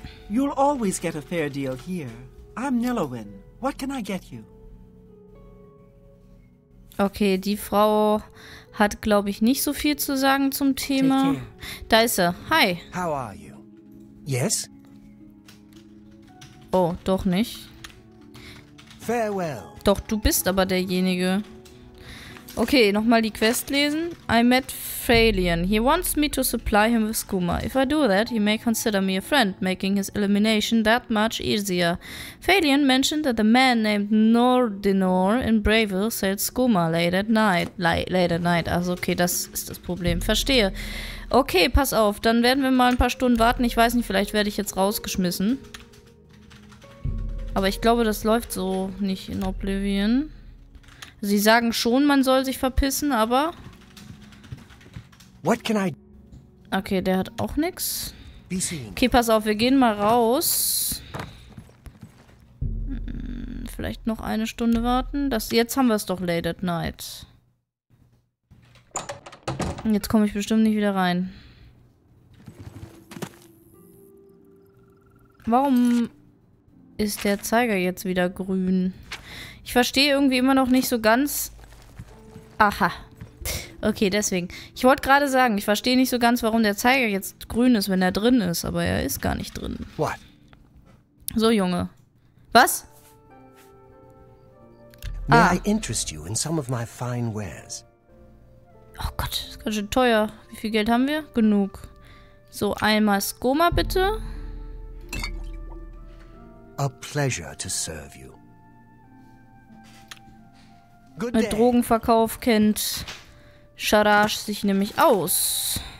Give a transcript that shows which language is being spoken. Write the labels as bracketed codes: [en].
[en] You'll always get a fair deal here. I'm Nillowyn. What can I get you? [de] Okay, die Frau hat, glaube ich, nicht so viel zu sagen zum Thema. Da ist er. Hi. [en] How are you? Yes? [de] Oh, doch nicht. [en] Farewell. [de] Doch, du bist aber derjenige. Okay, nochmal die Quest lesen. [en] I met Phalion. He wants me to supply him with Skooma. If I do that, he may consider me a friend, making his elimination that much easier. Phalion mentioned that a man named Nordinor in Bravil sells Skooma late at night. [de] Also okay, das ist das Problem. Verstehe. Okay, pass auf. Dann werden wir mal ein paar Stunden warten. Ich weiß nicht, vielleicht werde ich jetzt rausgeschmissen. Aber ich glaube, das läuft so nicht in Oblivion. Sie sagen schon, man soll sich verpissen, aber... [en] What can I... [de] Okay, der hat auch nichts. Okay, pass auf, wir gehen mal raus. Vielleicht noch eine Stunde warten. Jetzt haben wir es doch [en] late at night. [de] Jetzt komme ich bestimmt nicht wieder rein. Warum ist der Zeiger jetzt wieder grün? Ich verstehe irgendwie immer noch nicht so ganz... Aha. Okay, deswegen. Ich wollte gerade sagen, ich verstehe nicht so ganz, warum der Zeiger jetzt grün ist, wenn er drin ist. Aber er ist gar nicht drin. [en] What? [de] So, Junge. Was? [en] May I interest you in some of my fine wares? [de] Oh Gott, das ist ganz schön teuer. Wie viel Geld haben wir? Genug. So, einmal Skooma, bitte. [en] A pleasure to serve you. [de] Mit Drogenverkauf kennt Sharash sich nämlich aus.